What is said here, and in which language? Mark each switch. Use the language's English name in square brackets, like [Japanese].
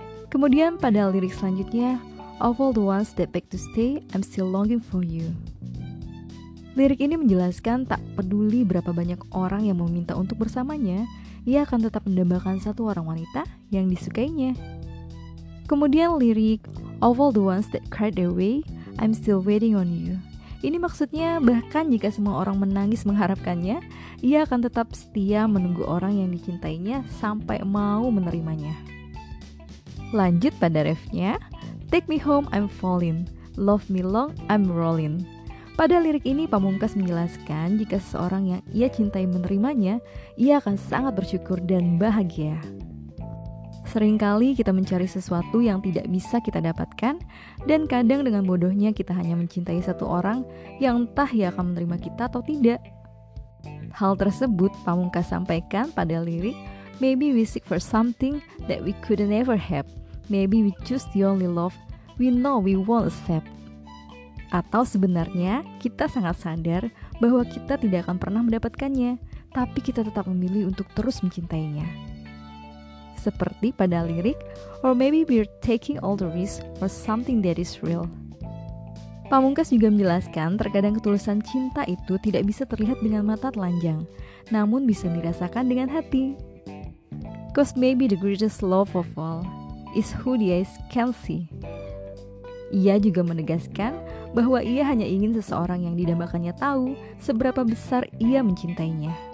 [Indonesian] Kemudian pada lirik selanjutnya, [English] "Of all the ones that beg to stay, I'm still longing for you." [Indonesian] Lirik ini menjelaskan tak peduli berapa banyak orang yang meminta untuk bersamanya, ia akan tetap mendambakan satu orang wanita yang disukainya. Kemudian lirik, [English] "Of all the ones that cried their way, I'm still waiting on you." [Indonesian] Ini maksudnya bahkan jika semua orang menangis mengharapkannya, ia akan tetap setia menunggu orang yang dicintainya sampai mau menerimanya. Lanjut pada refnya, [English] "Take me home, I'm falling. Love me long, I'm rolling." [Indonesian] Pada lirik ini, Pamungkas menjelaskan jika seseorang yang ia cintai menerimanya, ia akan sangat bersyukur dan bahagia. Seringkali kita mencari sesuatu yang tidak bisa kita dapatkan, dan kadang dengan bodohnya kita hanya mencintai satu orang yang entah ia akan menerima kita atau tidak. Hal tersebut Pamungkas sampaikan pada lirik, [English] "Maybe we seek for something that we couldn't ever have. Maybe we choose the only love we know we won't accept." [Indonesian] Atau sebenarnya kita sangat sadar bahwa kita tidak akan pernah mendapatkannya, tapi kita tetap memilih untuk terus mencintainya. Seperti pada lirik, [English] "Or maybe we're taking all the risks for something that is real." [Indonesian] Pamungkas juga menjelaskan terkadang ketulusan cinta itu tidak bisa terlihat dengan mata telanjang, namun bisa dirasakan dengan hati. [English] "Cause maybe the greatest love of all is who the eyes can see." [Indonesian] Ia juga menegaskan bahwa ia hanya ingin seseorang yang didambakannya tahu seberapa besar ia mencintainya.